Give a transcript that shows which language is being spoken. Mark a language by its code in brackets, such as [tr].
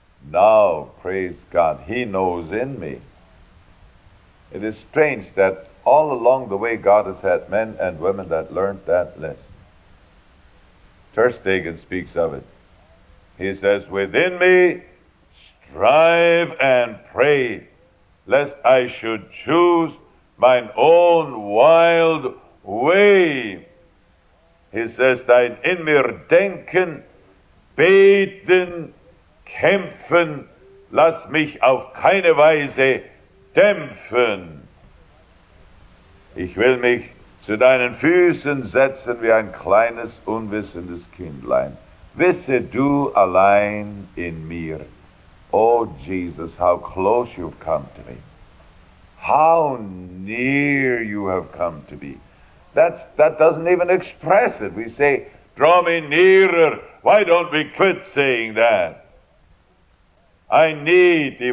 [en] Now, praise God, He knows in me. It is strange that all along the way God has had men and women that learned that lesson. Terstegen speaks of it. He says, within me strive and pray, lest I should choose mine own wild way. He says, [de] dein in mir denken, beten, kämpfen, lass mich auf keine Weise dämpfen. Ich will mich zu deinen Füßen setzen wie ein kleines, unwissendes Kindlein. Wisse du allein in mir. [en] Oh, Jesus, how close you've come to me. How near you have come to me. That doesn't even express it. We say, draw me nearer. Why don't we quit saying that? I need thee.